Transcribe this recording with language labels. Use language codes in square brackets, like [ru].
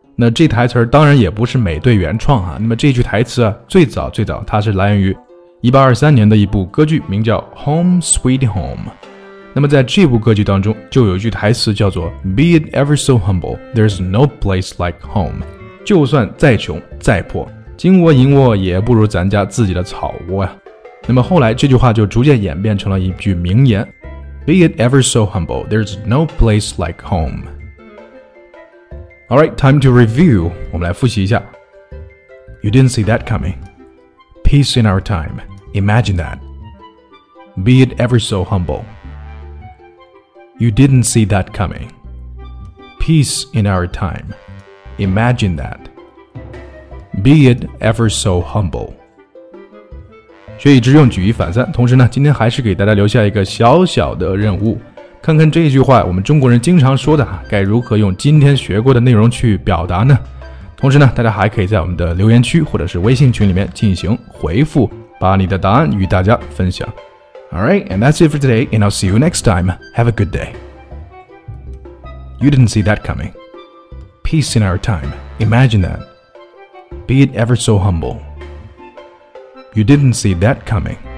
[zh] 那这台词当然也不是美队原创啊，那么这句台词啊最早它是来源于1823年的一部歌剧，名叫 Home Sweet Home。那么在这部歌剧当中就有一句台词叫做 [en] Be it ever so humble, there's no place like home， [zh] 就算再穷再破，金窝银窝也不如咱家自己的草窝啊。那么后来这句话就逐渐演变成了一句名言， [en] Be it ever so humble, there's no place like home。 Alright, time to review. [zh] 我们来复习一下。 [en] You didn't see that coming. Peace in our time. Imagine that. Be it ever so humble. You didn't see that coming. Peace in our time. Imagine that. Be it ever so humble. [zh] 学以致用，举一反三。同时呢，今天还是给大家留下一个小小的任务。看看这句话我们中国人经常说的该如何用今天学过的内容去表达呢？同时呢，大家还可以在我们的留言区或者是微信群里面进行回复，把你的答案与大家分享。 [en] Alright, and that's it for today, and I'll see you next time. Have a good day. You didn't see that coming. Peace in our time. Imagine that. Be it ever so humble. You didn't see that coming.